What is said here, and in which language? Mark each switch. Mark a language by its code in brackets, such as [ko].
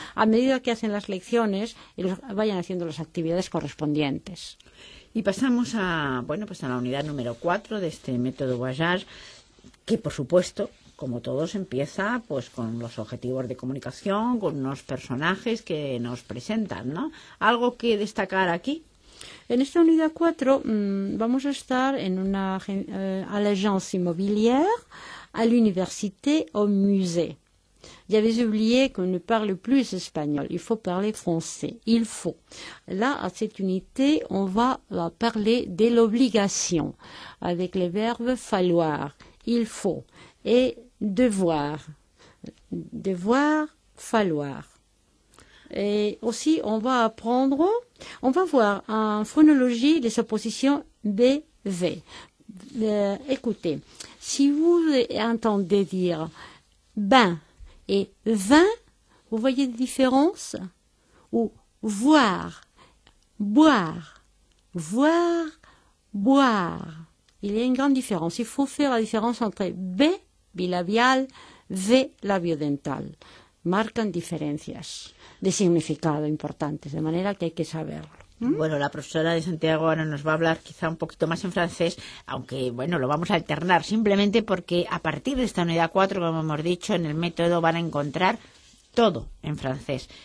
[es] A medida que hacen las lecciones, vayan haciendo las actividades correspondientes. Y pasamos a la unidad número 4 de este método Voyage, que por supuesto, como todos, empieza pues con los objetivos de comunicación, con unos personajes que nos presentan, ¿no? ¿Algo que destacar aquí? En esta unidad 4 vamos a estar en una a [fr] l'agence immobilière, à l'université, au musée. J'avais oublié qu'on ne parle plus espagnol. Il faut parler français. Il faut. Là, à cette unité, on va parler de l'obligation avec les verbes falloir. Il faut. Et devoir. Devoir, falloir. Et aussi, on va apprendre, on va voir en phonologie les oppositions BV. Écoutez, si vous entendez dire ben et vin, vous voyez la différence? Ou voir, boire, voir, boire. Il y a une grande différence. Il faut faire la différence entre B, bilabial, V, labiodental. [es] Marcan diferencias de significado importantes, de manera que hay que saberlo. Bueno, la profesora de Santiago ahora nos va a hablar quizá un poquito más en francés, aunque, bueno, lo vamos a alternar, simplemente porque a partir de esta unidad 4, como hemos dicho, en el método van a encontrar todo en francés.